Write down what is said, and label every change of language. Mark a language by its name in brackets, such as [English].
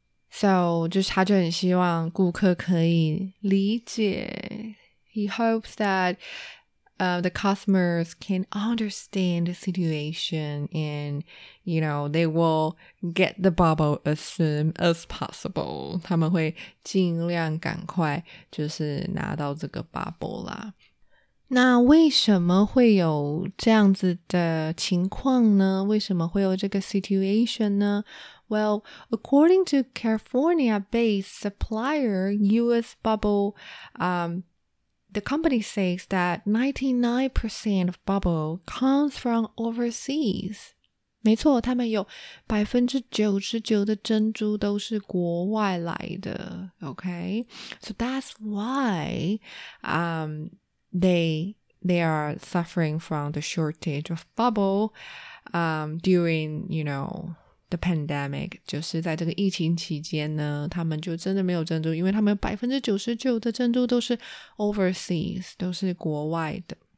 [Chinese] So, 就是他就很希望顾客可以理解。 [English] He hopes that the customers can understand the situation and, you know, they will get the bubble as soon as possible. [Chinese] 他们会尽量赶快就是拿到这个 bubble 啦。那为什么会有这样子的情况呢？为什么会有这个 situation 呢？ [English] Well, according to California-based supplier, U.S. Bubble, the company says that 99% of bubble comes from overseas. [Chinese] 没错，他们有 99% 的珍珠都是国外来的。 [English] Okay, so that's why they are suffering from the shortage of bubble during, you know,the pandemic, [Chinese] 就是在这个疫情期间呢，他们就真的没有珍珠，因为他们99%的珍珠都是 overseas, 都是国外的。